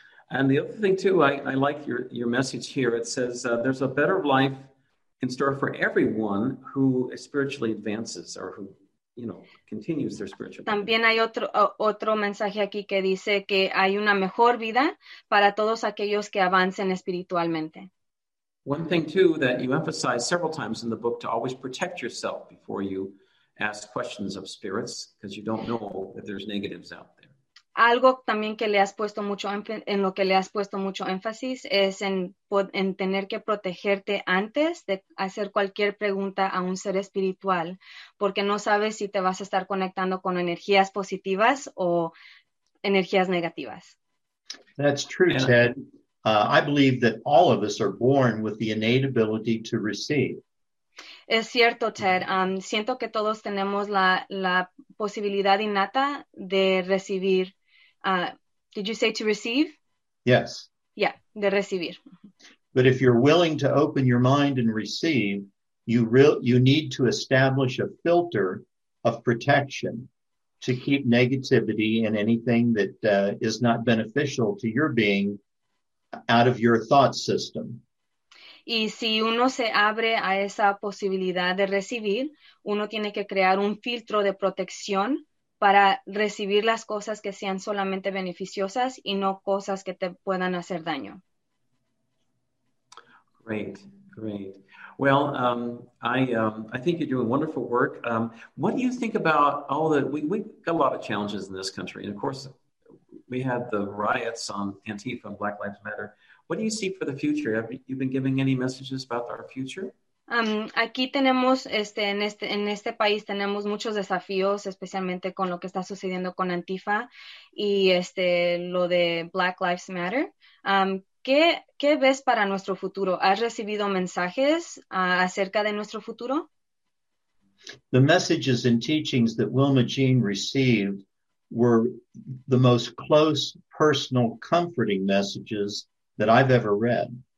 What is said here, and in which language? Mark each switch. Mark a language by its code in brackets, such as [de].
[en] And the other thing too, I like your message here. It says there's a better life in store for everyone who spiritually advances or who, continues their spiritual path. [es] También hay otro mensaje aquí que dice que hay una mejor vida para todos aquellos que avancen espiritualmente. [en] One thing too that you emphasize several times in the book to always protect yourself before you ask questions of spirits, because you don't know if there's negatives out there. [es] Algo también que le has puesto mucho en lo que le has puesto mucho énfasis es en tener que protegerte antes de hacer cualquier pregunta a un ser espiritual, porque no sabes si te vas a estar conectando con energías positivas o energías negativas. [en] That's true, Ted. I believe that all of us are born with the innate ability to receive. [es] Es cierto, Ted. Siento que todos tenemos la posibilidad innata de recibir. [en] Did you say to receive? Yes. [es] Yeah, de recibir. [en] But if you're willing to open your mind and receive, you need to establish a filter of protection to keep negativity and anything that is not beneficial to your being out of your thought system. [es] Y si uno se abre a esa posibilidad de recibir, uno tiene que crear un filtro de protección para recibir las cosas que sean solamente beneficiosas y no cosas que te puedan hacer daño. [en] Great, great. Well, I think you're doing wonderful work. What do you think about all the, we got a lot of challenges in this country. And of course, we had the riots on Antifa and Black Lives Matter. What do you see for the future? Have you been giving any messages about our future? [es] Aquí tenemos, en este país tenemos muchos desafíos, especialmente con lo que está sucediendo con Antifa y lo de Black Lives Matter. ¿Qué ves para nuestro futuro? ¿Has recibido mensajes acerca de nuestro futuro? [en] The messages and teachings that Wilma Jean received were the most close, personal, comforting messages that I've ever read.